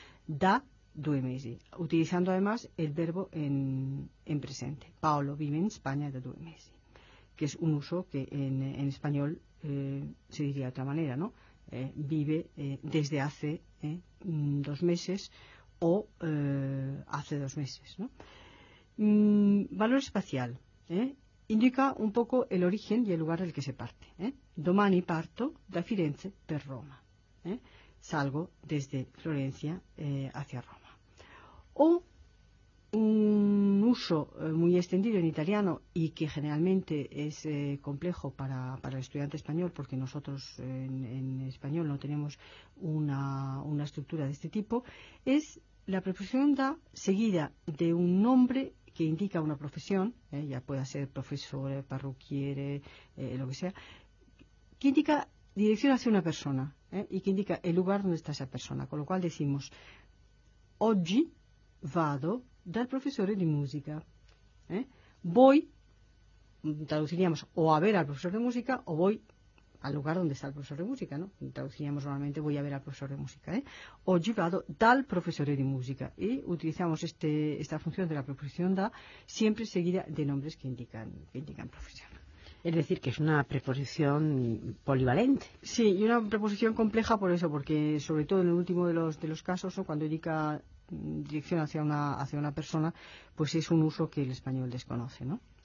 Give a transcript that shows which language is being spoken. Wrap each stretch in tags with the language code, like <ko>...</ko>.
<it>Da due mesi,</it> <es>utilizando además el verbo en presente,</es> <it>Paolo vive in España da due mesi,</it> <es>que es un uso que en español se diría de otra manera, ¿no? Vive desde hace dos meses o hace dos meses, ¿no? Valor espacial, indica un poco el origen y el lugar del que se parte.</es> <it>Domani parto da Firenze per Roma.</it> <es>Salgo desde Florencia hacia Roma. O un uso muy extendido en italiano y que generalmente es complejo para el estudiante español, porque nosotros en español no tenemos una estructura de este tipo, es la preposición da seguida de un nombre que indica una profesión, ya puede ser profesor, parrucchiere, lo que sea, que indica dirección hacia una persona y que indica el lugar donde está esa persona. Con lo cual decimos,</es> <it>oggi vado dal professore di musica.</it> <es>Voy, traduciríamos, o a ver al profesor de música, o voy al lugar donde está el profesor de música, ¿no? Traduciríamos normalmente, voy a ver al profesor de música.</es> <it>Oggi vado dal professore di musica.</it> <es>Y utilizamos esta función de la preposición da siempre seguida de nombres que indican profesión. Es decir, que es una preposición polivalente. Sí, y una preposición compleja por eso, porque sobre todo en el último de los casos, o cuando indica dirección hacia una persona, pues es un uso que el español desconoce, ¿no?</es>